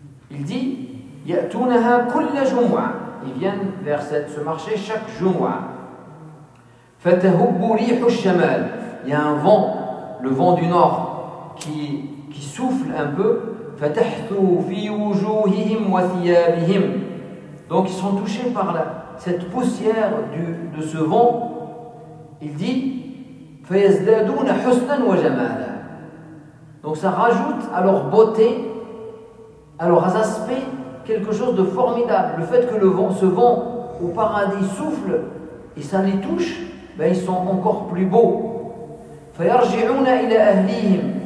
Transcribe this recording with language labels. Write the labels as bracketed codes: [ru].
[fr] il dit, [ar] يَأْتُونَهَا كُلَّ جُمُعَ. [fr] Ils viennent vers ce marché chaque jour. [ar] فَتَهُبُّ رِيحُ الشَّمَالِ. [fr] Il y a un vent, le vent du nord, qui souffle un peu. [ar] فَتَحْتُوا فِي وُجُوهِهِمْ وَثِيَابِهِمْ. [fr] Donc ils sont touchés par cette poussière de ce vent. Il dit, [ar] فَيَزْدَادُونَ حُسْنًا وَجَمَالًا. [fr] Donc ça rajoute à leur beauté, à leurs aspects, quelque chose de formidable. Le fait que ce vent au paradis souffle et ça les touche, ben ils sont encore plus beaux. [ar] فَيَرْجِعُونَ إِلَىٰ أَهْلِهِمْ.